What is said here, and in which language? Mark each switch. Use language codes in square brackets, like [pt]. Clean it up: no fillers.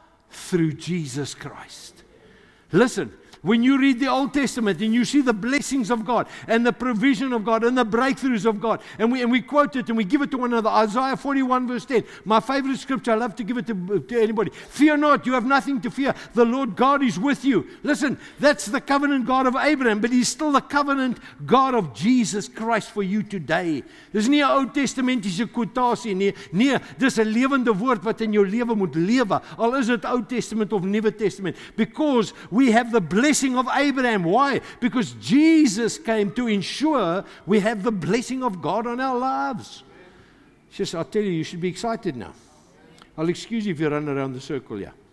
[en] Through Jesus Christ. Listen, when you read the Old Testament and you see the blessings of God and the provision of God and the breakthroughs of God, and we quote it and we give it to one another, Isaiah 41 verse 10, my favorite scripture, I love to give it to anybody. Fear not, you have nothing to fear. The Lord God is with you. Listen, that's the covenant God of Abraham, but he's still the covenant God of Jesus Christ for you today. [af] Dis nie 'n Ou Testamentiese kwotasie nie. Nee, dis 'n lewende woord wat in jou lewe moet lewe. Al is it Ou Testament of Nuwe Testament, [en] because we have the blessing of Abraham. Why? Because Jesus came to ensure we have the blessing of God on our lives. Just, I'll tell you, you should be excited now. I'll excuse you if you run around the circle, yeah.